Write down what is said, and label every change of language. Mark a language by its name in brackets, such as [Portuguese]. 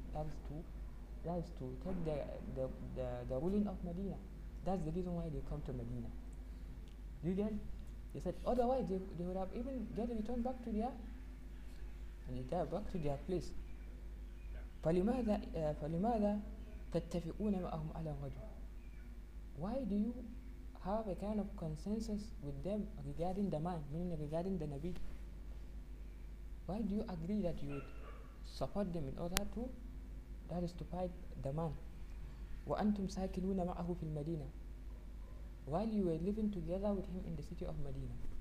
[English] That is to take the ruling of Medina. That's the reason why they come to Medina. You get? They said otherwise they would have even get returned back to their place. [Arabic] فلماذا تتفقون معهم على الرجل? [English] Why do you have a kind of consensus with them regarding the man, meaning regarding the Nabi? Why do you agree that you would support them in order to, that is to fight the man? [Arabic] وَأَنْتُمْ سَاكِنُونَ مَعَهُ فِي الْمَدِينَةِ [English] While you were living together with him in the city of Medina.